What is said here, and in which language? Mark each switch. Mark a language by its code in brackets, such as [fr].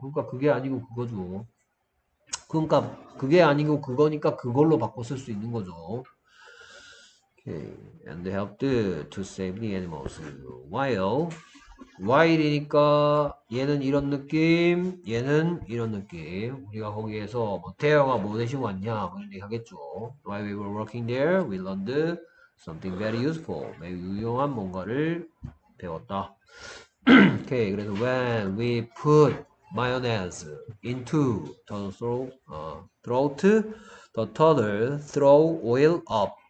[ko] 그러니까 그게 아니고 그거죠. 그러니까 그게 아니고 그거니까 그걸로 바꿔 쓸수 있는 거죠. [en] And they helped to save the animals. While. [ko] While이니까 얘는 이런 느낌, 얘는 이런 느낌. 우리가 거기에서 뭐 태영아 뭐 대신 왔냐 그런 얘기 하겠죠. [en] While we were working there, we learned something very useful. [ko] 매우 유용한 뭔가를 배웠다. [en] Okay, 그래서 when we put mayonnaise into the toddler throw oil up.